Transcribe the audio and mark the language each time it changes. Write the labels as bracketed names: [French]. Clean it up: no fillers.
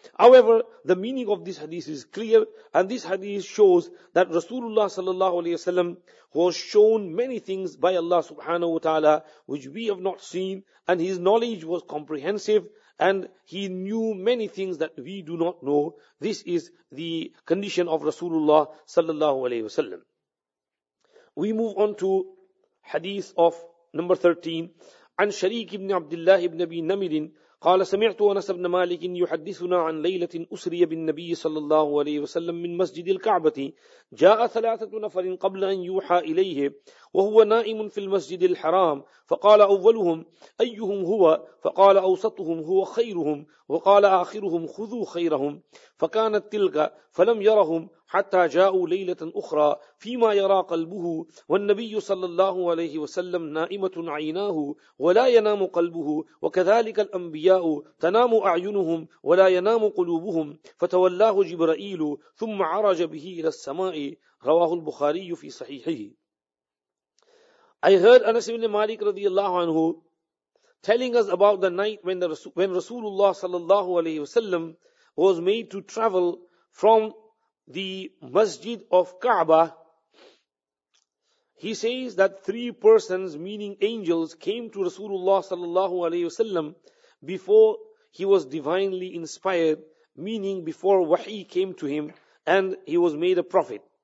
[English] However, the meaning of this hadith is clear, and this hadith shows that Rasulullah sallallahu alayhi wa sallam was shown many things by Allah subhanahu wa ta'ala which we have not seen, and his knowledge was comprehensive, and he knew many things that we do not know. This is the condition of Rasulullah sallallahu alayhi wa sallam. We move on to hadith of number 13. [Arabic] عن شريك بن عبد الله بن أبي نمر قال سمعت أنس بن مالك يحدثنا عن ليلة أسري بالنبي صلى الله عليه وسلم من مسجد الكعبة جاء ثلاثة نفر قبل أن يوحى إليه وهو نائم في المسجد الحرام فقال أولهم أيهم هو فقال أوسطهم هو خيرهم وقال آخرهم خذوا خيرهم فكانت تلك فلم يرهم حتى جاءوا ليلة أخرى فيما يرى قلبه والنبي صلى الله عليه وسلم نائمة عيناه ولا ينام قلبه وكذلك الأنبياء تنام أعينهم ولا ينام قلوبهم فتولاه جبرائيل ثم عرج به إلى السماء رواه البخاري في صحيحه. [English] I heard Anas ibn Malik radiallahu anhu telling us about the night when Rasulullah sallallahu alayhi wasallam was made to travel from the Masjid of Kaaba. He says that three persons, meaning angels, came to Rasulullah sallallahu alayhi wasallam before he was divinely inspired, meaning before wahi came to him and he was made a prophet.